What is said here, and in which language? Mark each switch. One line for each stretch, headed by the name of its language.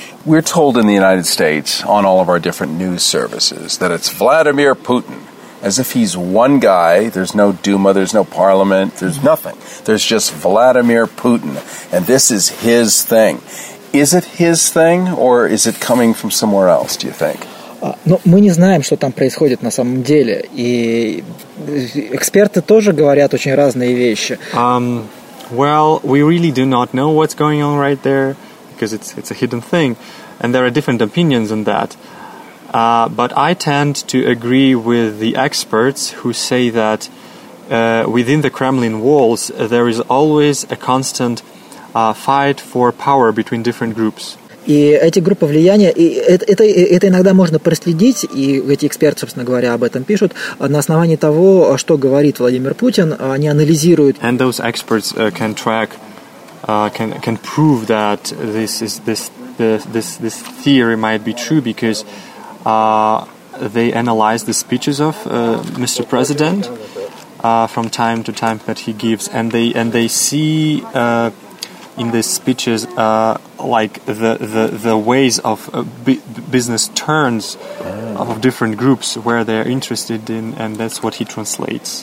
English: We're told in the United States on all of our different news services that it's Vladimir Putin. As if he's one guy, there's no Duma, there's no parliament, there's nothing. There's just Vladimir Putin, and this is his thing. Is it his thing, or is it coming from somewhere else, do you think?
Russian: Ну, мы не знаем, что там происходит на самом деле, и эксперты тоже говорят очень разные вещи.
English: Well, we really do not know what's going on right there, because it's a hidden thing, and there are different opinions on that. But I tend to agree with the experts who say that within the Kremlin walls, there is always a constant fight for power between different groups.
Russian: И эти группы влияния, и это иногда можно проследить, и эти эксперты, собственно говоря, об этом пишут, на основании того, что говорит Владимир Путин, они анализируют.
English: And those experts can track, can prove that this theory might be true, because they analyzed the speeches of Mr. President, from time to time that he gives, and they see in these speeches like the ways of business turns of different groups where they're interested in, and that's what he translates.